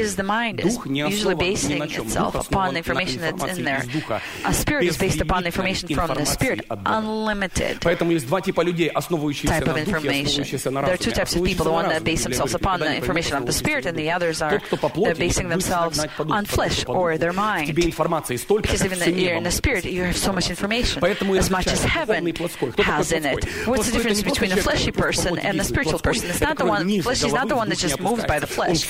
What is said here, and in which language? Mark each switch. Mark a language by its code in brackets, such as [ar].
[en] Because the mind is usually basing itself upon the information that's in there. A spirit is based upon the information from the spirit, unlimited. [ru] Поэтому есть два типа людей, основывающиеся на духе, основывающиеся на разуме. [en] There are two types of people: the one that base themselves upon the information of the spirit, and the others are basing themselves on flesh or their mind. Because even that you're in the spirit, you have so much information, as much as heaven has in it. What's the difference between a fleshy person and a spiritual person? It's not the one, flesh is not the one that just moves by the flesh.